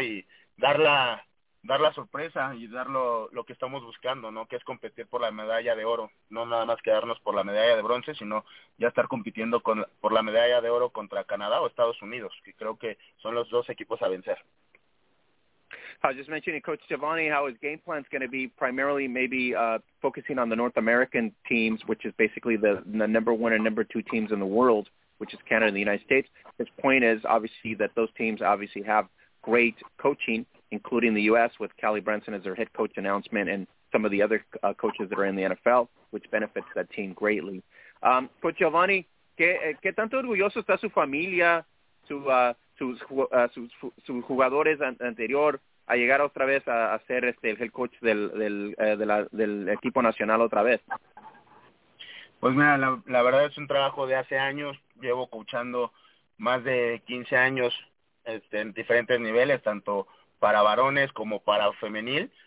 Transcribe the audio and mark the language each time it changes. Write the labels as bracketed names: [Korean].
[Spanish] Y dar la sorpresa y dar lo que estamos buscando, ¿no? Que es competir por la medalla de oro, no nada más quedarnos por la medalla de bronce, sino ya estar compitiendo por la medalla de oro contra Canadá o Estados Unidos, que creo que son los dos equipos a vencer. [English] I was just mentioning Coach Giovanni, how his game plan is going to be primarily maybe focusing on the North American teams, which is basically the number one and number two teams in the world, which is Canada and the United States. His point is obviously that those teams obviously have great coaching, including the U.S. with Callie Brunson as their head coach announcement, and some of the other coaches that are in the NFL, which benefits that team greatly. [Spanish] Coach Giovanni, ¿qué tanto orgulloso está su familia, sus jugadores anterior, a llegar otra vez a ser el coach del equipo nacional otra vez? Pues mira, la verdad es un trabajo de hace años. Llevo coachando más de 15 años en diferentes niveles, tanto para varones como para femenil.